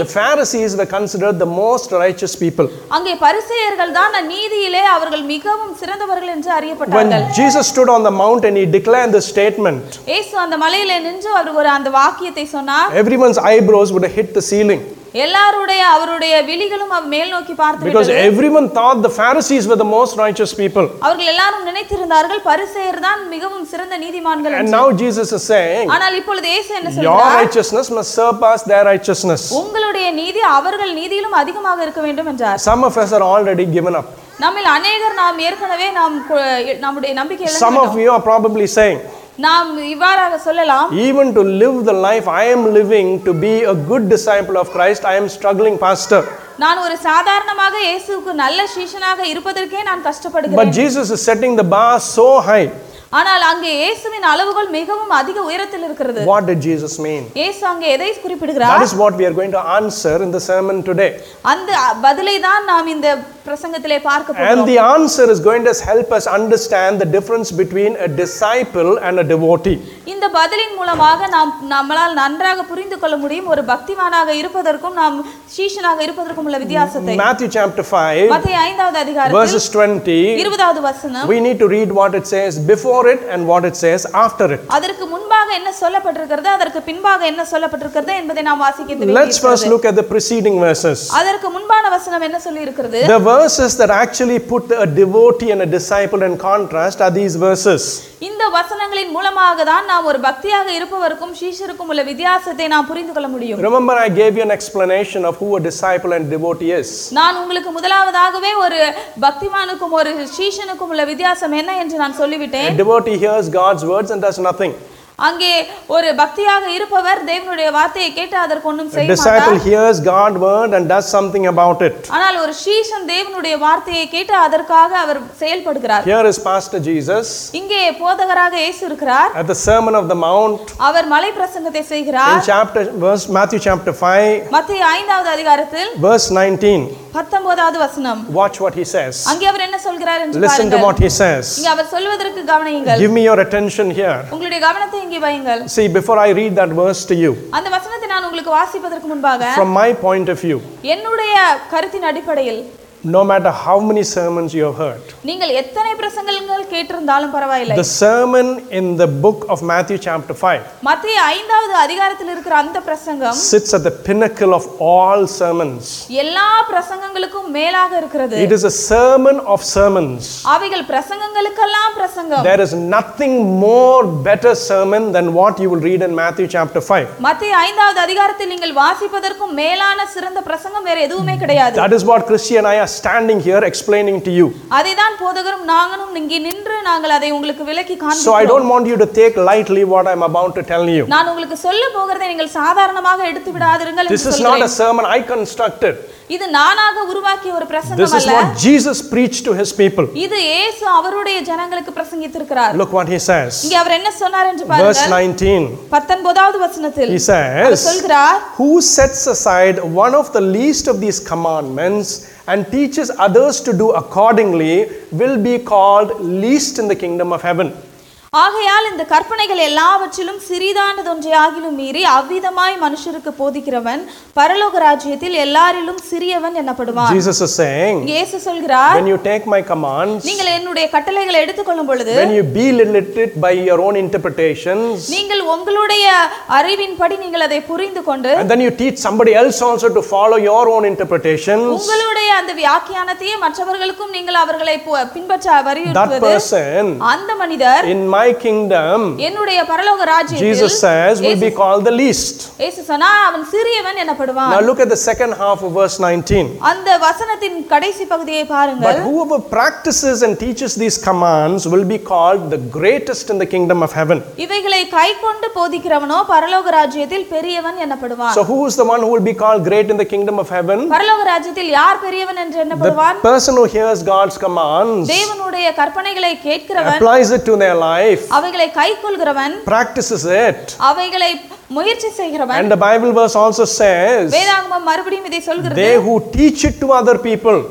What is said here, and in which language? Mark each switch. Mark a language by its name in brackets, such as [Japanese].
[English] the Pharisees were considered the most righteous people. [Tamil] அங்கே பரிசேயர்கள் தான் நீதியிலே அவர்கள் மிகவும் சிறந்தவர்கள் என்று அறியப்பட்டார்கள். [English] When Jesus stood on the mount and he declared this statement, [Tamil] இயேசு அந்த மலையில் நின்று அவர் ஒரு அந்த வாக்கியத்தை சொன்னார். [English] Everyone's eyebrows would have hit the ceiling. [Tamil] எல்லாருடைய அவருடைய விழிகளும் மேல் நோக்கி பார்த்து விட்டது. [English] Because everyone thought the Pharisees were the most righteous people. [Tamil] அவர்கள் எல்லாரும் நினைத்திருந்தார்கள் பரிசேயர் தான் மிகவும் சிறந்த நீதிமான்கள் என்று. [English] And now Jesus is saying, [Tamil] ஆனால் இப்பொழுது இயேசு என்ன சொல்கிறார்? [English] Your righteousness must surpass their righteousness. [Tamil] உங்களுடைய நீதி அவர்கள் நீதியிலும் அதிகமாக இருக்க வேண்டும் என்றார். [English] Some of us are already given up. [Tamil] நம்மில் அநேகர் நாம் ஏற்கனவே நாம் நம்முடைய நம்பிக்கை இழந்துவிட்டோம். [English] Some of you are probably saying, [Tamil] நாம் இவ்வாறாக சொல்லலாம், [English] even to live the life I am living, to be a good disciple of Christ, I am struggling, pastor. [Tamil] நான் ஒரு சாதாரணமாக இயேசுவுக்கு நல்ல சீஷனாக இருப்பதற்கே நான் கஷ்டப்படுகிறேன். [English] But Jesus is setting the bar so high. [Tamil] ஆனால் அங்கே இயேசுவின் அளவுகள் மிகவும் அதிக உயரத்தில் இருக்கிறது. [English] What did Jesus mean? [Tamil] இயேசு அங்கே எதை குறிப்பிடுகிறார்? [English] That is what we are going to answer in the sermon today. [Tamil] அந்த பதிலை தான் நாம் இந்த பிரசங்கத்திலே பார்க்க போகிறோம். [English] And the answer is going to help us understand the difference between a disciple and a devotee. [Tamil] இந்த பதிலின் மூலமாக நாம் நம்மால் நன்றாக புரிந்து கொள்ள முடியும் ஒரு பக்திமானாக இருப்பதற்கும் நாம் சீஷனாக இருப்பதற்கும் உள்ள வித்தியாசத்தை. [English] Matthew chapter 5, [Tamil] மத்தேயு 5வது அதிகாரத்தில் [English] verses 20, [Tamil] 20வது வசனம், [English] we need to read what it says before it and what it says after it. [Tamil] அதற்கு முன்பாக என்ன சொல்லப்பட்டிருக்கிறது அதற்கு பின்பாக என்ன சொல்லப்பட்டிருக்கிறது என்பதை நாம் வாசிக்க வேண்டும். [English] Let's first look at the preceding verses. [Tamil] அதற்கு முன்பான வசனம் என்ன சொல்லியிருக்கிறது? [English] The verses that actually put a devotee and a disciple in contrast are these verses. [Tamil] இந்த வசனங்களின் மூலமாக தான் நாம் ஒரு பக்தியாக இருப்பவருக்கும் சீஷருக்கும் உள்ள வித்தியாசத்தை நாம் புரிந்துகொள்ள முடியும். [English] Remember I gave you an explanation of who a disciple and devotee is. [Tamil] நான் உங்களுக்கு முதலாவதாகவே ஒரு பக்திமானுக்கும் ஒரு சீஷனுக்கும் உள்ள வித்தியாசம் என்ன என்று நான் சொல்லிவிட்டேன். [English] Devotee hears God's words and does nothing. [Tamil] அங்கே ஒரு பக்தியாக இருப்பவர் தேவனுடைய வார்த்தையை கேட்டு அதற்கு ஒன்றும் செய்ய மாட்டார். [English] Disciple hears God's word and does something about it. [Tamil] ஆனால் ஒரு சீஷன் தேவனுடைய வார்த்தையை கேட்டு அதற்காக அவர் செயல்படுகிறார். [English] Here is Pastor Jesus. [Tamil] இங்கே போதகராக இயேசு இருக்கிறார். [English] At the Sermon of the Mount. [Tamil] அவர் மலை பிரசங்கத்தை செய்கிறார். [English] In chapter verse Matthew chapter 5. [Tamil] மத்தேயு 5வது அதிகாரத்தில் [English] verse 19. [Tamil] 19வது வசனம். [English] Watch what he says. [Tamil] அங்கே அவர் என்ன சொல்கிறார் என்று பாருங்கள். [English] Listen to what he says. [Tamil] இங்கே அவர் சொல்வதற்கு கவனியுங்கள். [English] Give me your attention here. [Tamil] உங்களுடைய கவனத்தை இங்கே வையுங்கள். [English] See, before I read that verse to you. [Tamil] அந்த வசனத்தை நான் உங்களுக்கு வாசிப்பதற்கு முன்பாக, [English] from my point of view. [Tamil] என்னுடைய கருத்தின் அடிப்படையில், [English] no matter how many sermons you have heard, [Tamil] நீங்கள் எத்தனை பிரசங்கங்கள் கேட்டிருந்தாலும் பரவாயில்லை, [English] the sermon in the book of Matthew chapter 5, [Tamil] மத்தேயு 5வது அதிகாரத்தில் இருக்கிற அந்த பிரசங்கம், [English] sits at the pinnacle of all sermons, [Tamil] எல்லா பிரசங்கங்களுக்கும் மேலாக இருக்கிறது. [English] It is a sermon of sermons. [Tamil] அவைகள் பிரசங்கங்களுக்கெல்லாம் பிரசங்கம். [English] There is nothing more better sermon than what you will read in Matthew chapter 5. [Tamil] மத்தேயு 5வது அதிகாரத்தில் நீங்கள் வாசிப்பதற்கும் மேலான சிறந்த பிரசங்கம் வேற எதுவுமே கிடையாது. [English] That is what Christian I are standing here explaining to you. [Tamil] அதைதான் போதகரும் நாங்களும் இங்கே நின்று நாங்கள் அதை உங்களுக்கு விளக்கி காண்பிக்கிறோம். [English] So I don't want you to take lightly what I'm about to tell you. [Tamil] நான் உங்களுக்கு சொல்ல போகிறதை நீங்கள் சாதாரணமாக எடுத்து விடாதீர்கள் என்று சொல்றேன். [English] This is not a sermon I constructed. [Tamil] இது நானாக உருவாக்கிய ஒரு பிரசங்கம் அல்ல. [English] This is what Jesus preached to his people. [Tamil] இது இயேசு அவருடைய ஜனங்களுக்கு பிரசங்கித்திருக்கிறார். [English] Look what he says. [Tamil] இங்கே அவர் என்ன சொன்னார் என்று பாருங்க. [English] Verse 19. [Tamil] 19வது வசனத்தில் [English] he says, [Tamil] சொல்கிறார், [English] who sets aside one of the least of these commandments and teaches others to do accordingly will be called least in the kingdom of heaven. [Tamil] ஆகையால் இந்த கற்பனைகள் எல்லாவற்றிலும் சிறிதானது ஒன்றை ஆகிலும் மீறி அவ்விதமாய் மனுஷருக்கு போதிக்கிறவன் பரலோக ராஜ்யத்தில் எல்லாரிலும் சிறியவன் எனப்படுவான். [English] Jesus is saying, [Tamil] இயேசு சொல்கிறார், [English] when you take my commands, [Tamil] நீங்கள் என்னுடைய கட்டளைகளை எடுத்துக்கொள்ளும் பொழுது, [English] when you belittle it by your own interpretations, [Tamil] நீங்கள் உங்களுடைய அறிவின்படி நீங்கள் அதை புரிந்து கொண்டு, [English] and then you teach somebody else also to follow your own interpretations, [Tamil] உங்களுடைய அந்த வியாக்கியானத்தையே மற்றவர்களுக்கும் நீங்கள் அவர்களை பின்பற்ற வரியுறுத்துவது, [English] that person, [Tamil] அந்த மனிதர், [English] in my kingdom, [Tamil] என்னுடைய பரலோக ராஜ்யத்தில், [English] Jesus says, will be called the least. [Tamil] இயேசு சொன்னார், அவன் சிறியவன் எனப்படுவான். [English] Now look at the second half of verse 19. [Tamil] அந்த வசனத்தின் கடைசி பகுதியை பாருங்கள். [English] But whoever practices and teaches these commands will be called the greatest in the kingdom of heaven. [Tamil] இவைகளை கைக்கொண்டு போதிக்கிறவனோ பரலோக ராஜ்யத்தில் பெரியவன் எனப்படுவான். [English] So who is the one who will be called great in the kingdom of heaven? [Tamil] பரலோக ராஜ்யத்தில் யார் பெரியவன் என்று எனப்படுவான்? [English] The person who hears God's commands, [Tamil] தேவனுடைய கற்பனைகளை கேட்கிறவன், [English] applies it to their life, [Tamil] அவைகளை கைக்கொள்கிறவன், [English] practices it, [Tamil] அவைகளை முயற்சி செய்கிறவன், [English] and the Bible verse also says, [Tamil] வேதாகமம் மறுபடியும் இதை சொல்கிறது, [English] they who teach it to other people,